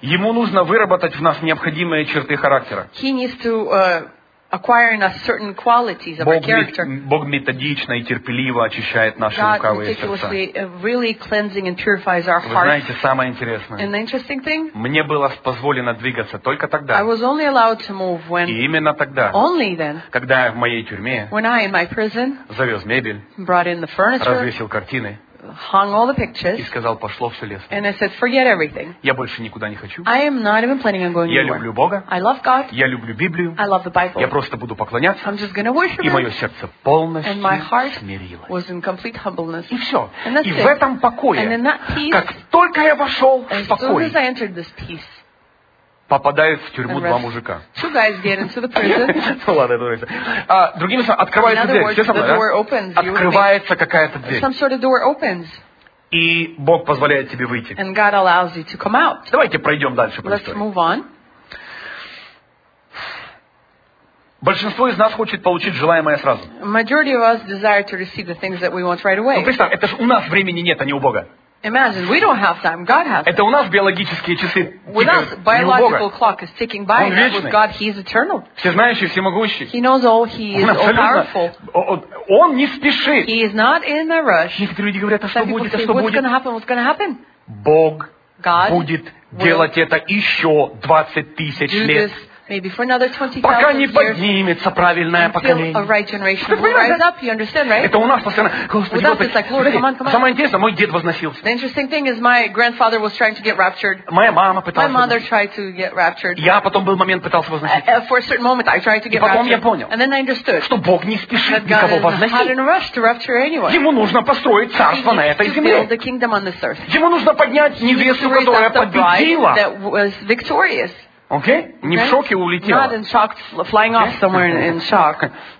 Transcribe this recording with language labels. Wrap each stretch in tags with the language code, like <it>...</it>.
<ru>Ему нужно выработать в нас необходимые черты характера.</ru> <en>He needs to acquiring us certain qualities of</en> <ru>Бог</ru> <en>our character.</en> <ru>Бог методично и терпеливо очищает наши лукавые сердца.</ru> <en>God meticulously really cleansing and purifies our hearts.</en> <ru>Вы знаете, самое интересное.</ru> <en>And the interesting thing?</en> <ru>Мне было позволено двигаться только тогда.</ru> <en>I was only allowed to move when.</en> <ru>И именно тогда.</ru> <en>Only then.</en> <ru>Когда в моей тюрьме.</ru> <en>When I in my prison.</en> <ru>Завез мебель.</ru> <en>Brought in the furniture.</en> <ru>Развесил картины.</ru> <en>Hung all the pictures.</en> <ru>И сказал, пошло все лесно.</ru> <en>And I said, forget everything.</en> <ru>Я больше никуда не хочу.</ru> <en>I am not even planning on going anywhere.</en> <ru>Я люблю Бога.</ru> <en>I love God.</en> <ru>Я люблю Библию.</ru> <en>I love the Bible.</en> <ru>Я просто буду поклоняться.</ru> <en>I'm just gonna worship.</en> <ru>И мое сердце полностью</ru> <en>and my heart</en> <ru>смирилось.</ru> <en>Was in complete humbleness.</en> <ru>И все.</ru> <en>And that's</en> <ru>и</ru> <en>it.</en> <ru>В этом покое.</ru> <en>And in that peace,</en> <ru>как только я вошел в покой.</ru> <en>As soon as I entered this peace.</en> <ru>Попадают в тюрьму два мужика.</ru> <en>Two guys get into the prison.</en> <ru>Ладно, это говорится. Другими словами, открывается дверь.</ru> <en>In other words, the door opens.</en> <ru>Открывается какая-то дверь.</ru> <en>Some sort of door opens.</en> <ru>И Бог позволяет тебе выйти.</ru> <en>And God allows you to come out.</en> <ru>Давайте пройдем дальше по истории.</ru> <en>Let's move on.</en> <ru>Большинство из нас хочет получить желаемое сразу.</ru> <en>Majority of us desire to receive the things that we want right away.</en> <ru>Ну, представь, это же у нас времени нет, а не у Бога.</ru> <en>Imagine, we don't have time, God has time.</en> <ru>Это у нас биологические часы.</ru> <en>With us, biological clock is ticking by.</en> <ru>Он вечный.</ru> <en>With God, he is eternal.</en> <ru>Всезнающий, всемогущий.</ru> <en>He knows all, he is all powerful.</en> <ru>Он не спешит.</ru> <en>He is not in a rush.</en> <ru>Некоторые люди говорят, а что будет, а что будет?</ru> <en>What's going to happen, what's going to happen?</en> <ru>Бог будет делать это еще 20 тысяч лет.</ru> <en>maybe for another 20,000 years.</en> <ru>Пока не поднимется правильное поколение. Это у нас постоянно. Господи, вот это.</ru> <en>Like, Lord, come on.</en> <ru>Самое интересное, мой дед возносился.</ru> <en>The interesting thing is my grandfather was trying to get raptured.</en> <ru>Моя мама пыталась.</ru> <en>My mother tried to get raptured.</en> <ru>Я потом был момент пытался возноситься.</ru> <en>For a certain moment I tried to get</en> <ru>Потом я понял.</ru> <en>And then I understood.</en> <ru>Что Бог не спешит никого возносить.</ru> <en>Not in a rush to rapture anyone.</en> <ru>Ему нужно построить царство на этой земле.</ru> <en>Build the kingdom on this earth.</en> <ru>Ему нужно поднять невесту, которая победила.</ru> <en>Victorious. Okay?</en> <ru>Не в шоке улетела.</ru> <en>Not in shock, flying off somewhere in shock.</en>